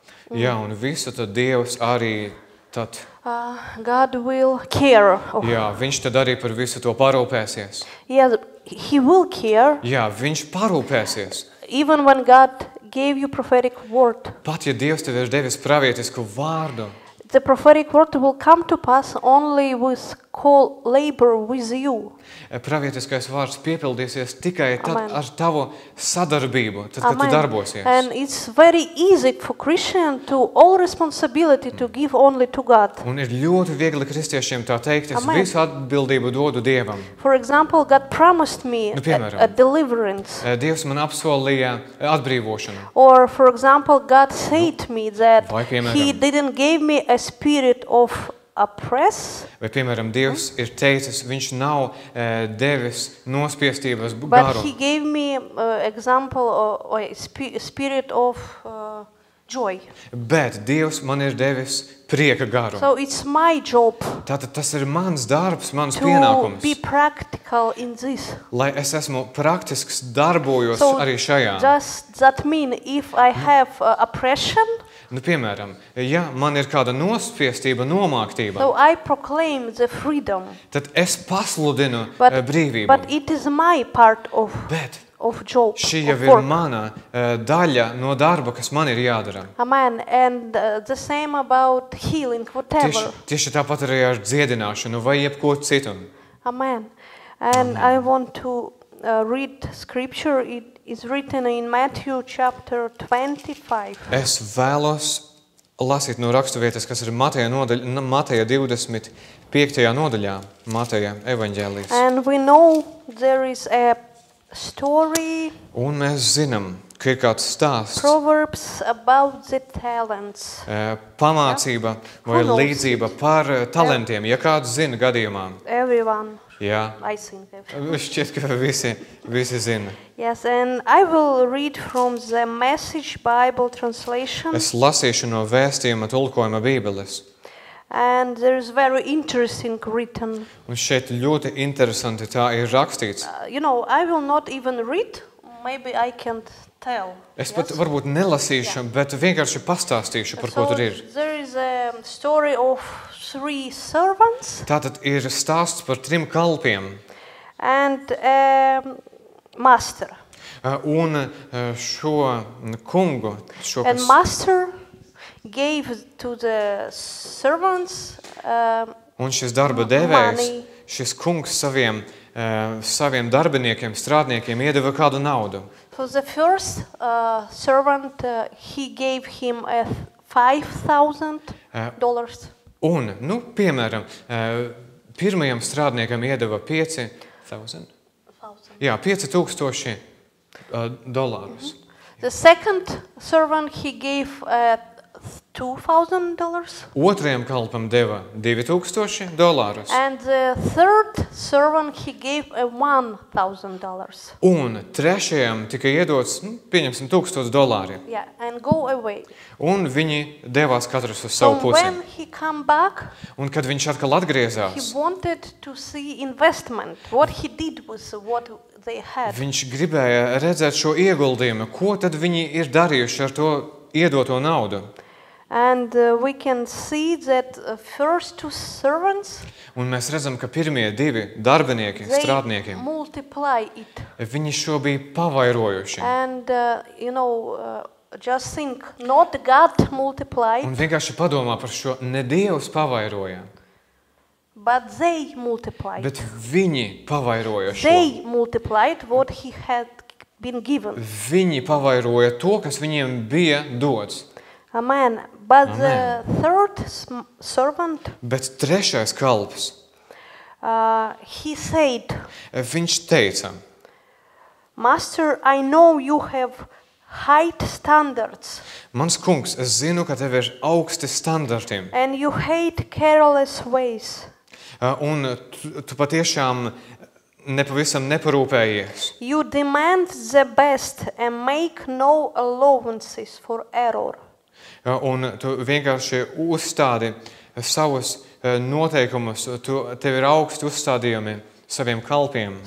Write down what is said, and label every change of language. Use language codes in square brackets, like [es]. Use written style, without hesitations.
[lv] Jā, un visu tad Dievs arī tad [en] God will care. [lv] Jā, viņš tad arī par visu to parūpēsies. [en] Yes, he will care. [lv] Jā, viņš parūpēsies. [en] Even when God gave you prophetic word. [lv] Pat ja Dievs tev ir devis pravietisku vārdu. [en] The prophetic word will come to pass only with call labor with you. [lv] Pravietiskais vārds piepildīsies tikai tad Amen. Ar tavu sadarbību, tad kad [en] Amen. [lv] Tu darbosies. [en] And it's very easy for Christian to all responsibility to give only to God. [lv] Un ir ļoti viegli kristiešiem tā teikt, es Amen. Visu atbildību dodu Dievam. [en] For example, God promised me [lv] nu, piemēram, [en] a deliverance. [lv] Dievs man apsolīja atbrīvošanu. [en] Or for example, God said nu, me that [lv] vai, piemēram, [en] he didn't give me a spirit of oppress. [lv] Vai, piemēram, Dievs ir teicis, viņš nav devis nospiestības garu. [en] But he gave me example of spirit of joy. [lv] Bet Dievs man ir devis prieka garu. [en] So it's my job. [lv] Tātad tas ir mans darbs, mans to pienākums. [en] To be practical in this. [lv] Lai es esmu praktisks darbojos [en] so [lv] arī šajā. [en] So does that mean if I have oppression? [lv] Nu, piemēram, ja man ir kāda nospiestība, nomāktība, [en] so I proclaim the freedom. [lv] Tad es pasludinu [en] but, [lv] brīvību. [en] But it is my part of, [lv] bet [en] of job, [lv] šī jau ir mana daļa no darba, kas man ir jādara. [en] Amen. And the same about healing, whatever. [lv] Tieši tāpat arī ar dziedināšanu vai jebko citu. [en] Amen. And Amen. I want to read scripture. It is written in Matthew chapter 25. [lv] Es vēlos lasīt no rakstuvietas, kas ir Mateja 25. Nodaļā, Mateja evaņģēlijas. [en] And we know there is a story. [lv] Un mēs zinām, ka ir kāds stāsts. [en] Proverbs about the talents. [lv] Pamācība vai līdzība par talentiem, ja kāds zina gadījumā. [en] Everyone. [lv] Jā. [en] I think everyone. [lv] Šķiet, ka visi zina. [en] Yes, and I will read from the Message Bible translation. [lv] Es lasīšu no vēstījuma tulkojuma Bībeles. [en] And there is very interesting written. [lv] Un šeit ļoti interesanti tā ir rakstīts. [en] You know, I will not even read. Maybe I can't tell. [lv] Es pat varbūt nelasīšu, bet vienkārši pastāstīšu, par ko tur ir. [en] There is a story of three servants. [lv] Tātad ir stāsts par trim kalpiem. [en] And master. [lv] Un šo kungu, šo And kas... [en] master gave to the servants [lv] Un šis darba devējs, šis kungs saviem saviem darbiniekiem, strādniekiem iedeva kādu naudu. [en] So the first servant he gave him a $5,000. [lv] Un, nu, piemēram, pirmajam strādniekam iedeva 5000. Jā, 5000 dolārus. [en] The second servant he gave $2,000. [lv] Otrajam kalpam deva 2000 dolārus. [en] And the third servant he gave $1,000. [lv] Un trešajam tika iedots, nu, pieņemsim $1,000. [en] Yeah, and go away. [lv] Un viņi devās katrs uz savu pusi. [en] When he come back, [lv] un kad viņš atkal atgriezās, [en] he wanted to see investment. What he did was what they had. [lv] Viņš gribēja redzēt šo ieguldījumu, ko tad viņi ir darījuši ar to iedoto naudu. [en] And we can see that first two servants [lv] Un mēs redzam, ka pirmie divi darbinieki, strādnieki [en] multiply it. [lv] Viņi šo bija pavairojuši. [en] And you know just think not God multiplied. [lv] Un vienkārši padomā par šo, ne Dievs pavairoja. [en] But they multiplied. [lv] Bet viņi pavairoja šo. [en] They multiplied what he had been given. [lv] Viņi pavairoja to, kas viņiem bija dots. [en] Amen. But the third servant [lv] Bet trešais kalps [en] he said [lv] Viņš teica [en] Master, I know you have high standards. [lv] Mans kungs, es zinu, ka tev ir augsti standarti. [en] And you hate careless ways. [lv] Un tu patiešām nepavisam neparūpējies. [en] You demand the best and make no allowances for error. [lv] Un tu vienkārši uzstādi savus noteikumus, tu tev ir augsti uzstādījumi saviem kalpiem.